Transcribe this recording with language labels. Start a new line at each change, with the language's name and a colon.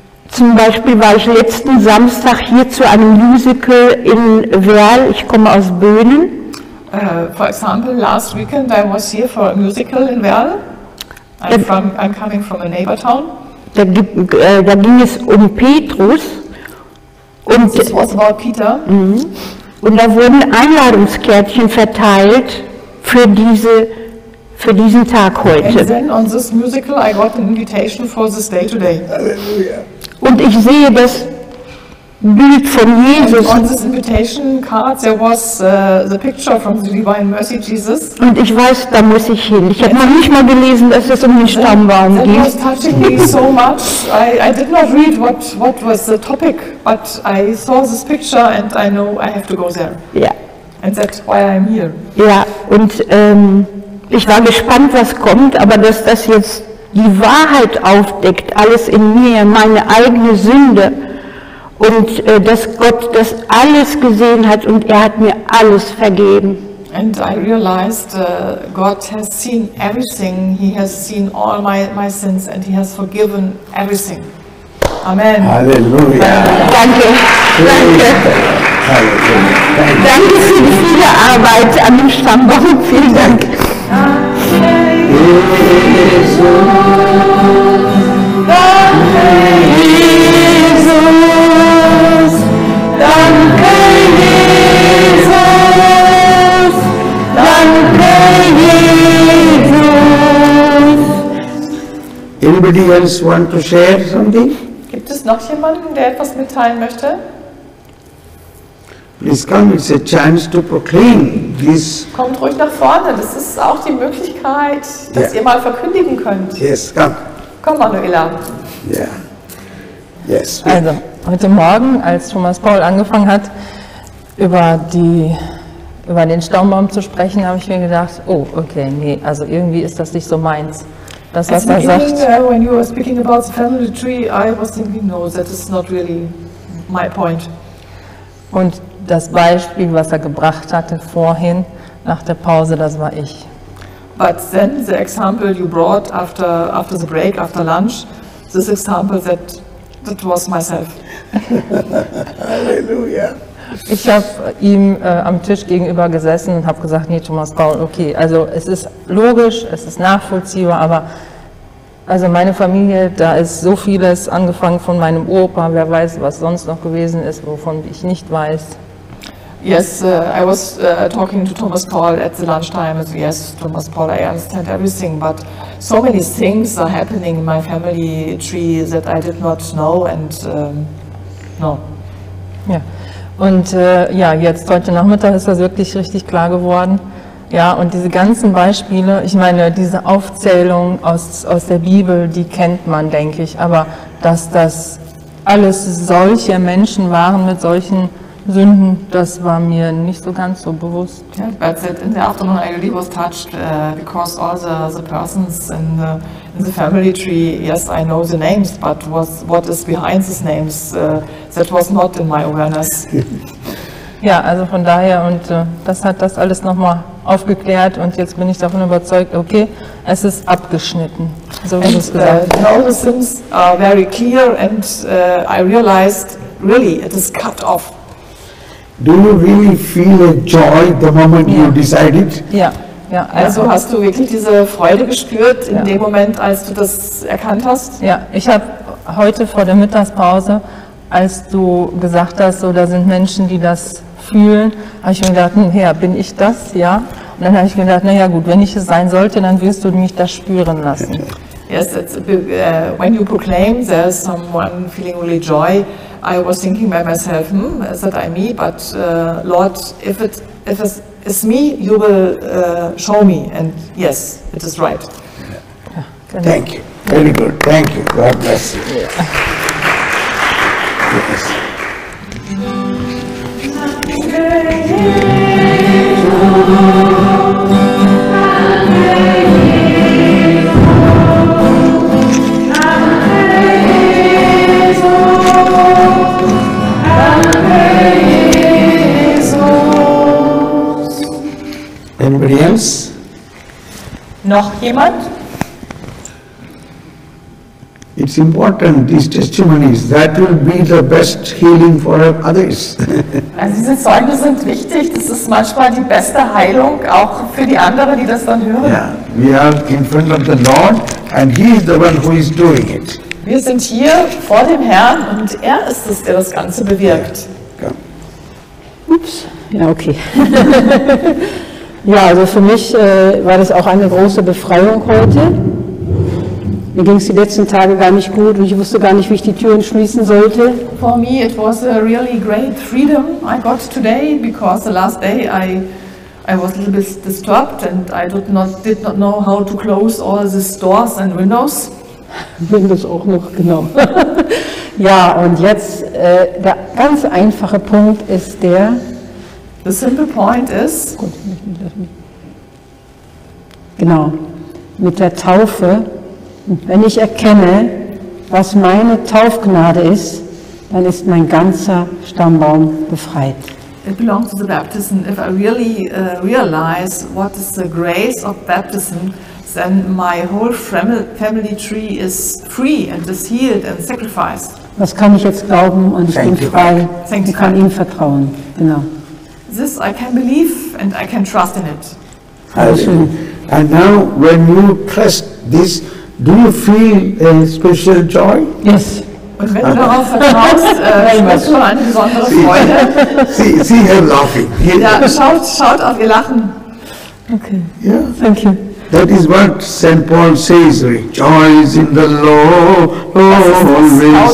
German: Zum Beispiel war ich letzten Samstag hier zu einem Musical in Werl. Ich komme aus Böhnen.
English: For example, last weekend I was here for a musical in Werl. I'm coming from a neighbor town.
German: da ging es um Petrus. Und das Wort war Peter. Und da wurden Einladungskärtchen verteilt für diesen Tag heute.
English: And then on this musical I got an invitation for this day today.
German: Und ich sehe das Bild von Jesus.
English: And on this invitation card there was the picture from the Divine Mercy Jesus.
German: Und ich weiß, da muss ich hin. Ich habe noch nicht mal gelesen, dass es um den Stammbaum geht.
English: That was touching me so much. I did not read what was the topic, but I saw this picture and I know I have to go there. Yeah. And that's why I'm here.
German: Ja, und ich war gespannt, was kommt, aber dass das jetzt die Wahrheit aufdeckt, alles in mir, meine eigene Sünde, und dass Gott das alles gesehen hat und er hat mir alles vergeben.
English: And I realized God has seen everything, he has seen all my sins and he has forgiven everything. Amen.
German: Halleluja. Danke. Danke. Danke für die viele Arbeit an dem Stammbaum. Vielen Dank. Danke Jesus, danke Jesus, danke Jesus.
English: Anybody else want to share something?
German: Gibt es noch jemanden, der etwas mitteilen möchte?
English: Please come, it's a chance to proclaim this.
German: Kommt ruhig nach vorne, das ist auch die Möglichkeit, dass ihr mal verkündigen könnt.
English: Yes, come.
German: Komm, Manuela.
English: Yeah. Yes.
German: Also, heute Morgen, als Thomas Paul angefangen hat, über den Stammbaum zu sprechen, habe ich mir gedacht, oh, okay, nee, also irgendwie ist das nicht so meins. Das, was er sagt.
English: When you were speaking about the family tree, I was thinking, no, that is not really my point.
German: Und das Beispiel, was er gebracht hatte vorhin nach der Pause, das war ich.
English: But then the example you brought after the break, after lunch, this example that was myself.
German: Halleluja. Ich habe ihm am Tisch gegenüber gesessen und habe gesagt, nee, Thomas Paul, okay, also es ist logisch, es ist nachvollziehbar, aber also meine Familie, da ist so vieles angefangen von meinem Opa, wer weiß, was sonst noch gewesen ist, wovon ich nicht weiß.
English: Yes, I was talking to Thomas Paul at the lunchtime. So yes, Thomas Paul, I understand everything, but so many things are happening in my family tree that I did not know and no.
German: Ja, und ja, jetzt heute Nachmittag ist das wirklich richtig klar geworden. Ja, und diese ganzen Beispiele, ich meine, diese Aufzählung aus der Bibel, die kennt man, denke ich, aber dass das alles solche Menschen waren mit solchen Sünden, das war mir nicht so ganz so bewusst.
English: Yeah, but that in the afternoon I really was touched because all the persons in the family tree, yes, I know the names, but what is behind these names, that was not in my awareness.
German: Ja, also von daher, und das hat das alles nochmal aufgeklärt und jetzt bin ich davon überzeugt, okay, es ist abgeschnitten, so wie du es gesagt hast.
English: Now the things are very clear and I realized, really, it is cut off. Do you really feel a joy the moment you decided?
German: Ja, ja. Also hast du wirklich diese Freude gespürt in dem Moment, als du das erkannt hast? Ja, ich habe heute vor der Mittagspause, als du gesagt hast, so, da sind Menschen, die das fühlen, habe ich mir gedacht, naja, bin ich das, ja? Und dann habe ich mir gedacht, naja gut, wenn ich es sein sollte, dann wirst du mich das spüren lassen.
English: Yes, it's when you proclaim there's someone feeling really joy, I was thinking by myself, is that I me? But Lord, if it is me, you will show me. And yes, it is right. Yeah. Genau. Thank you. Very good. Thank you. God bless you. Yes. Anybody else?
German: Noch jemand?
English: It's important, these testimonies, that will be the best healing for others.
German: Also diese Zeugnisse sind wichtig, das ist manchmal die beste Heilung, auch für die anderen, die das dann hören.
English: Yeah, we are in front of the Lord, and he is the one who is doing it.
German: Wir sind hier vor dem Herrn und er ist es, der das Ganze bewirkt. Ja. Ups, ja, okay. Ja, also für mich war das auch eine große Befreiung heute. Mir ging es die letzten Tage gar nicht gut und ich wusste gar nicht, wie ich die Türen schließen sollte.
English: For me it was a really great freedom I got today, because the last day I was a little bit disturbed and I did not know how to close all these doors and windows.
German: Windows auch noch, genau. Ja, und jetzt der ganz einfache Punkt ist der.
English: The simple point is.
German: Gut, lass mich. Genau, mit der Taufe. Wenn ich erkenne, was meine Taufgnade ist, dann ist mein ganzer Stammbaum befreit.
English: It belongs to the baptism. If I really realize what is the grace of baptism, then my whole family tree is free and is healed and sacrificed.
German: Was kann ich jetzt glauben und ich bin frei und kann ihm vertrauen. Genau.
English: This I can believe and I can trust in it. Also, and now when you press this, do you feel a special joy? Yes.
German: Und wenn du darauf vertraust, spürst du eine besondere Freude.
English: See him laughing.
German: Ja, yeah, schaut auf ihr Lachen.
English: Okay. Yeah. Thank you. That is what St. Paul says, rejoice in the Lord always.